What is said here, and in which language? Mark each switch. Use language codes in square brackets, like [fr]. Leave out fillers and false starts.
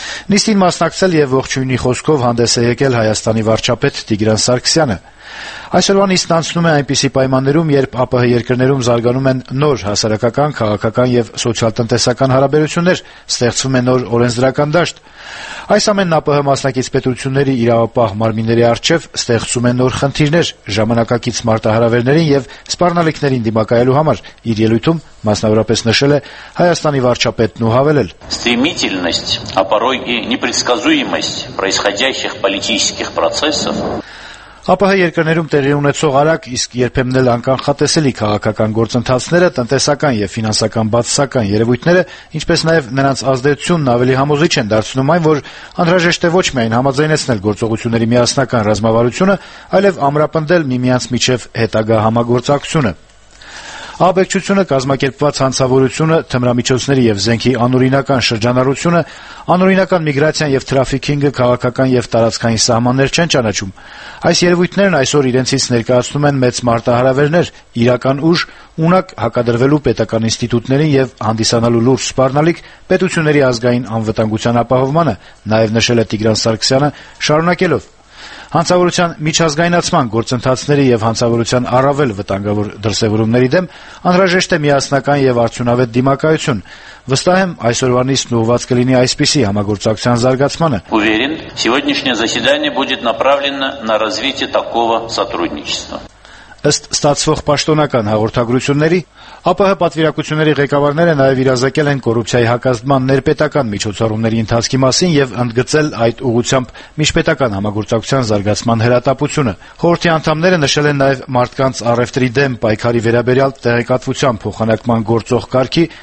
[hy] Նիստին մասնակցել և ողջույնի խոսքով հանդես է եկել Հայաստանի վարչապետ Տիգրան Սարգսյանը։ Այսօրվա նիստն անցնում է այնպիսի պայմաններում, երբ ԱՊՀ երկրներում զարգանում են նոր հասարակական, քաղաքական և սոցիալ-տնտեսական հարաբերություններ, ստեղծվում է նոր օրենսդրական դաշտ։ Այս ամենն ԱՊՀ մասնակից պետությունների իրավապահ մարմինների առջև ստեղծում է նոր խնդիրներ ժամանակակից մարտահրավերներին և սպառնալիքներին դիմակայելու համար, իր ելույթում մասնավորապես նշել է Հայաստանի վարչապետն ու հավելել. [ru] Стремительность, а порой и непредсказуемость происходящих политических процессов [hy] ԱՊՀ երկրներում տեղի ունեցող արագ, իսկ երբեմն էլ անկանխատեսելի քաղաքական գործընթացները, տնտեսական և ֆինանսական բացասական երևույթները, ինչպես նաև նրանց ազդեցությունն ավելի համոզիչ են դարձնում այն, որ անհրաժեշտ է ոչ միայն համաձայնեցնել գործողությունների միասնական ռազմավարությունը, այլև ամրապնդել միմյանց միջև հետագա համագործակցությունը։ Աբեկչությունը, կազմակերպված հանցավորությունը, թմրամիջոցների և զենքի անօրինական շրջանառությունը, անօրինական միգրացիան և տրաֆիքինգը քաղաքական և տարածքային սահմաններ չեն ճանաչում։ Այս երևույթներն այսօր իրենցից ներկայացնում են մեծ մարտահրավերներ, իրական ուժ, ունակ հակադրվելու պետական ինստիտուտներին և հանդիսանալու լուրջ սպառնալիք պետությունների ազգային անվտանգության ապահովմանը, նաև նշել է Տիգրան Սարգսյանը, շարունակելով. Հանցավորության միջազգայնացման գործընթացների և հանցավորության առավել վտանգավոր դրսևորումների դեմ անհրաժեշտ է միասնական և արդյունավետ դիմակայություն։ Վստահ եմ, այսօրվանից նուհված կլինի այսպիսի համագործակցության զարգացմանը։ [ru] Уверен, сегодняшнее заседание будет направлено на развитие такого сотрудничества. [hy] Ըստ ստացվող պաշտոնական հաղորդագրությունների, ԱՊՀ պատվիրակությունների ղեկավարները նաև իրազեկել են կոռուպցիայի հակազդման ներպետական միջոցառումների ընթացքի մասին և ընդգծել այդ ուղղությամբ միջպետական համագործակցության զարգացման հրատապությունը։ Խորհրդի անդամները նշել են նաև մարդկանց առևտրի դեմ պայքարի վերաբերյալ տեղեկատվության փոխանակման գործող կարգի